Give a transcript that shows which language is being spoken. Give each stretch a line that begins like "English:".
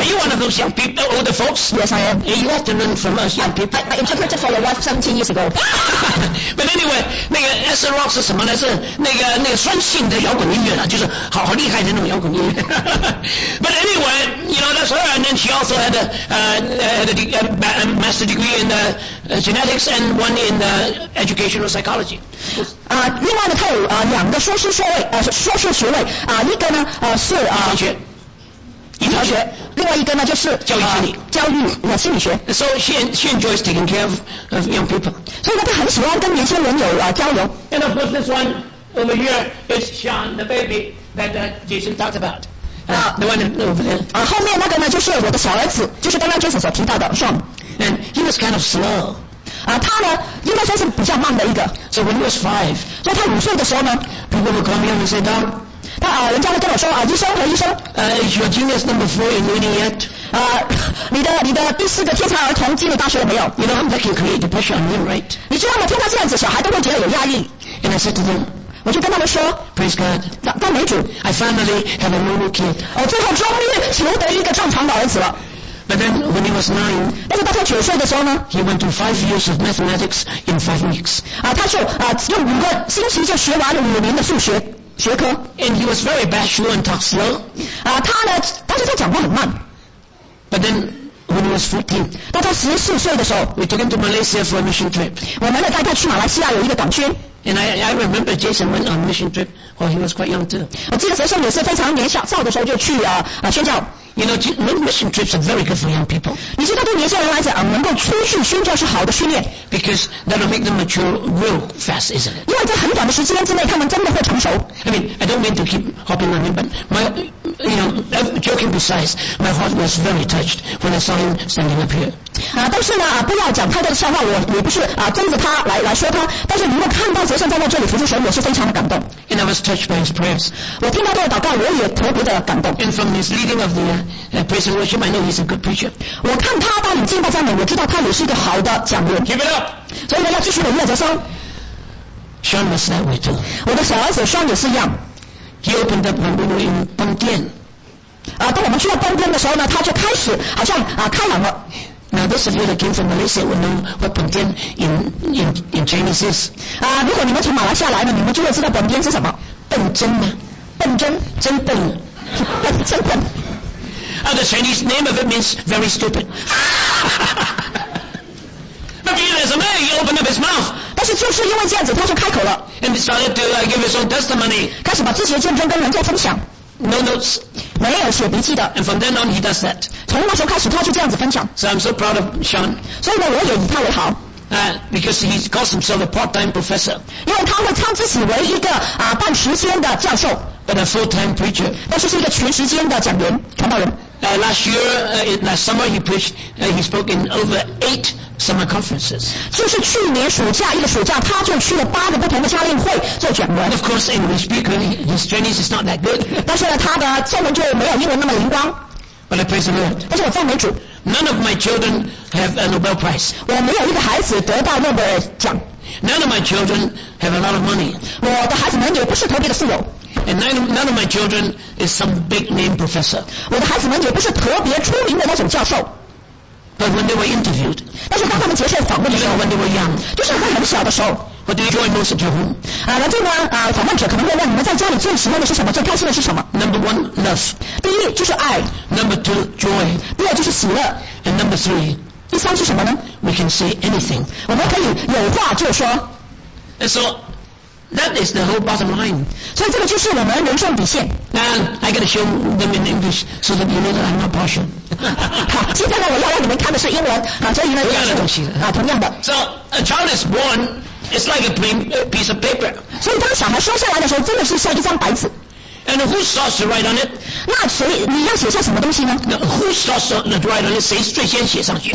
English: Are you one of those young people, older folks? Yes, I am. Yeah, you have to learn from us, young people. I interpreted for your wife 17 years ago. But anyway,
Chinese: 那个 acid rock 是什么呢？是那个酸性的摇滚音乐了，就是好厉害的那种摇滚音乐。
English: But anyway, you know, that's her. And then she also had a master degree in genetics and one in educational psychology.
Chinese: 另外呢，她有两个硕士学位。一个呢是医疗学，另外一个呢就是教育心理，心理学。
English: So she enjoys taking care of young people.
Chinese: 所以呢，她很喜欢跟年轻人有交流。
English: And of course, this one over here is Sean, the baby that Jason talked about. The one over there.
Chinese: 后面那个呢就是我的小儿子，就是刚刚 Jason 所提到的 Sean.
English: And he was kind of slow.
Chinese: 他呢应该算是比较慢的一个。
English: So when he was 5,
Chinese: 所以他5岁的时候呢
English: ，people would call me and say, "Dog."
Chinese: 人家会跟我说医生和医生。
English: Is your genius number 4 in uni yet?
Chinese: 你的第四个天才儿童进入大学了没有？
English: You know that can create the pressure on him, right?
Chinese: 你知道吗？听到这样子，小孩都会觉得有压力。
English: And I said to them,
Chinese: 我就跟他们说
English: ，Praise God,
Chinese: 赞美主
English: ，I finally have a normal kid.
Chinese: 哦，最后终于求得一个正常的儿子了。
English: But then, when he was nine,
Chinese: 但是当他九岁的时候呢
English: ？He went through 5 years of mathematics in 5 weeks.
Chinese: 啊，他就啊用五个星期就学完了5年的数学学科。
English: And he was very bashful and talked slow.
Chinese: 啊，他呢，但是他讲话很慢。
English: But then, when he was 14,
Chinese: 当他14岁的时候
English: ，We took him to Malaysia for a mission trip.
Chinese: 我们呢带他去马来西亚有一个短宣。
English: And I remember Jason went on a mission trip while he was quite young too.
Chinese: 我记得陈胜也是非常年少的时候就去宣教。
English: You know, mission trips are very good for young people.
Chinese: 你知道对年轻人来讲，能够出去宣教是好的训练。
English: Because that will make them mature real fast, isn't it?
Chinese: 因为在很短的时间之内，他们真的会成熟。
English: I mean, I don't mean to keep hopping on him, but my, you know, joking besides, my heart was very touched when I saw him standing up here.
Chinese: 但是呢，不要讲太多的笑话，我不是争着他来说他，但是能够看到杰森站在这里服侍神，我是非常的感动。
English: And I was touched by his prayers.
Chinese: 我听到他的祷告，我也特别的感动。
English: And from his leading of the praise and worship, I know he's a good preacher.
Chinese: 我看他带领敬拜赞美，我知道他也是一个好的讲员。
English: Keep it up.
Chinese: 所以呢，要继续努力的上。
English: Sean was that way too.
Chinese: 我的小儿子 Sean 也是一样。
English: He opened up when we were in
Chinese: 东边。当我们去到东边的时候呢，他就开始好像开朗了。
English: Now those of you that came from Malaysia will know what 本店 in Chinese is.
Chinese: 如果你们从马来西亚来的，你们就会知道本店是什么。笨针吗？笨针，真笨，笨真笨。
English: The Chinese name of it means very stupid. But he is a man. He opened up his mouth.
Chinese: 但是就是因为这样子，他就开口了。
English: And he started to give his own testimony.
Chinese: 开始把自己的见证跟人家分享。
English: No notes.
Chinese: 没有写笔记的。
English: And from then on, he does that.
Chinese: 从那时候开始，他就这样子分享。
English: So I'm so proud of Sean.
Chinese: 所以呢，我也以他为豪。
English: Because he calls himself a part-time professor.
Chinese: 因为他会称自己为一个半时间的教授。
English: But a full-time preacher.
Chinese: 但是是一个全时间的讲员传道人。
English: Last year, last summer, he preached. He spoke in over 8 summer conferences.
Chinese: 就是去年暑假一个暑假，他就去了八个不同的夏令会做讲员。
English: And of course, English speaker, his Chinese is not that good.
Chinese: 但是呢，他的中文就没有英文那么灵光。
English: But I praise the Lord.
Chinese: 但是我赞美主。
English: None of my children have a Nobel Prize.
Chinese: 我没有一个孩子得到诺贝尔奖。
English: None of my children have a lot of money.
Chinese: 我的孩子们也不是特别的富有。
English: And none of my children is some big name professor.
Chinese: 我的孩子们也不是特别出名的那种教授。
English: But when they were interviewed,
Chinese: 但是当他们接受访问的时候
English: ，when they were young,
Chinese: 就是还很小的时候
English: ，what do you enjoy most at your home?
Chinese: 然后呢，访问者可能会问你们在家里最喜欢的是什么，最开心的是什么
English: ？Number one, love.
Chinese: 第一就是爱。
English: Number two, joy.
Chinese: 第二就是喜乐。
English: And number three,
Chinese: 第三是什么呢
English: ？We can say anything.
Chinese: 我们可以有话就说。
English: And so. That is the whole bottom line.
Chinese: 所以这个就是我们人生底线。
English: Now I gotta show them in English so that you know that I'm not partial.
Chinese: 好，接下来我要让你们看的是英文，所以呢，同样的东西同样的。
English: So a child is born, it's like a plain piece of paper.
Chinese: 所以当小孩生下来的时候，真的是像一张白纸。
English: And who starts to write on it?
Chinese: 那谁你要写下什么东西呢
English: ？Now who starts to write on it?
Chinese: 谁最先写上去？